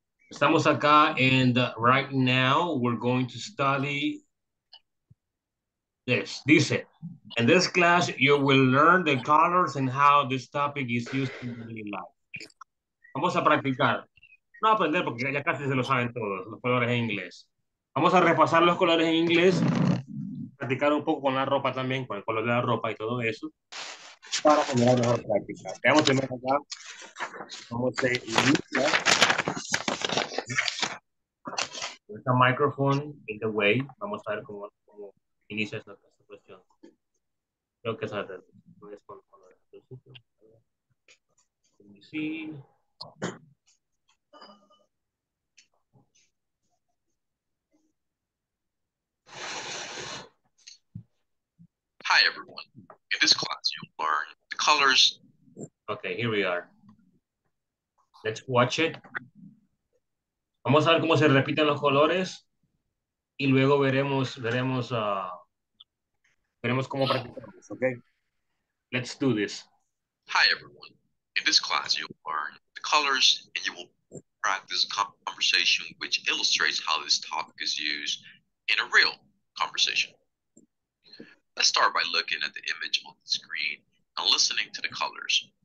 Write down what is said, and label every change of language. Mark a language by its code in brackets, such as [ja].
[es] Estamos acá, [en] and right now we're going to study this. Dice, in this class, you will learn the colors and how this topic is used in daily life. [es] Vamos a practicar. No aprender porque ya casi se lo saben todos, los colores en inglés. Vamos a repasar los colores en inglés, practicar un poco con la ropa también, con el color de la ropa y todo eso, para generar mejor práctica. Veamos primero acá cómo se inicia. [en] With the microphone in the way, [es] vamos a ver cómo inicia esta cuestión. Creo que es con colores. [en] Let me see. Hi everyone. In this class, you'll learn the colors. Okay, here we are. Let's watch it. [es] Vamos a ver cómo se repiten los colores y luego veremos cómo practicamos. [en] Okay. Let's do this. Hi everyone. In this class, you'll learn the colors and you will practice a conversation which illustrates how this topic is used in a real conversation. Let's start by looking at the image on the screen and listening to the colors.